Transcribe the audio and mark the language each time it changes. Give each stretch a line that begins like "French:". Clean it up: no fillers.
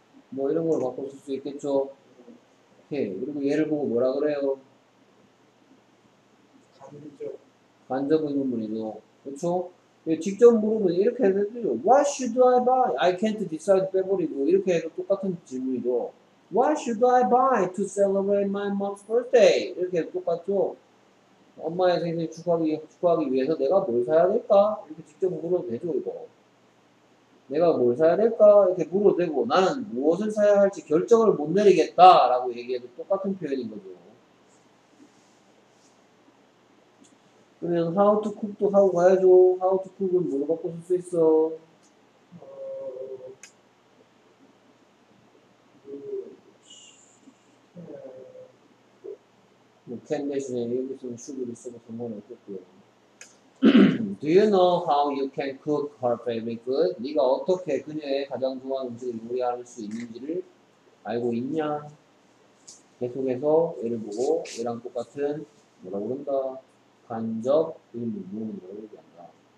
Korean: 뭐 이런 걸 바꿀 수 있겠죠? 오케이. 그리고 얘를 보고 뭐라 그래요? 간접 의문문이죠. 그쵸? 직접 물으면 이렇게 해도 되죠.
English: What should I buy? I can't decide
Korean: 빼버리고 이렇게 해도 똑같은 질문이죠.
English: What should I buy to celebrate my mom's birthday?
Korean: 이렇게 해도 똑같죠. 엄마의 생일 축하하기 위해서 내가 뭘 사야 될까? 이렇게 직접 물어도 되죠, 이거. 내가 뭘 사야 될까? 이렇게 물어도 되고, 나는 무엇을 사야 할지 결정을 못 내리겠다 라고 얘기해도 똑같은 표현인 거죠. 그러면
English: how to cook
Korean: 도 하고 가야죠.
English: How to cook
Korean: 은 뭘로 바꿔줄 수 있어? 뭐 can 대신에 여기 쓰면 should를 써도 상관이 없겠고요.
English: Do you know how you can cook her favorite food?
Korean: 네가 어떻게 그녀의 가장 좋아하는 음식을 요리할 수 있는지를 알고 있냐? 계속해서 얘를 보고 얘랑 똑같은 뭐라고 그런다? 간접 의문으로 얘기한다.